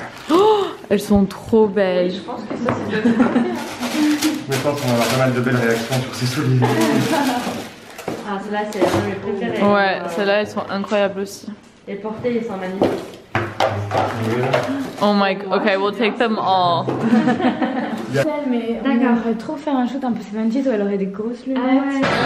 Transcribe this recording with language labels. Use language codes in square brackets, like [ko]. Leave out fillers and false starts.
[fr] Oh, elles sont trop belles. Oui, je pense que ça, c'est déjà tout. Mais je pense qu'on va avoir pas mal de belles réactions sur ces souliers. Ah, celle-là, c'est mes préférées. Ouais, celles-là, elles sont incroyables aussi. Et portées, elles sont magnifiques. [en] Oh my god, okay, we'll take them all. [fr] Mais on aurait trop fait un shoot un peu 70s où elle aurait des grosses lunettes.